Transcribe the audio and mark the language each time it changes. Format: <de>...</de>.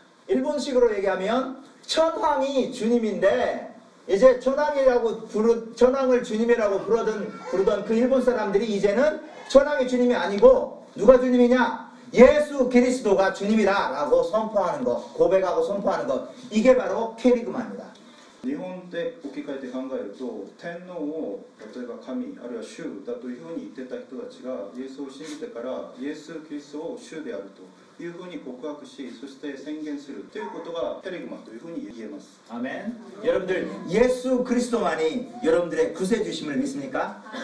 <ko>일본식으로 얘기하면 천황이 주님인데 이제 천황이라고 부르 천황을 주님이라고 부르던 그 일본 사람들이 이제는 천황이 주님이 아니고 누가 주님이냐 예수 그리스도가 주님이다라고 선포하는 것 고백하고 선포하는 것 이게 바로 케리그마입니다.</ko> <ja>日本で置き換えて考えると天皇を例えば神あるいは主だというふうに言ってた人たちがイエスを信じてからイエスキリストを主であるというふうに告白しそして宣言するということがケリグマというふうに言えます。</ja> <ko>아멘. 여러분들 예수 그리스도만이 여러분들의 구세주심을 믿습니까?</ko>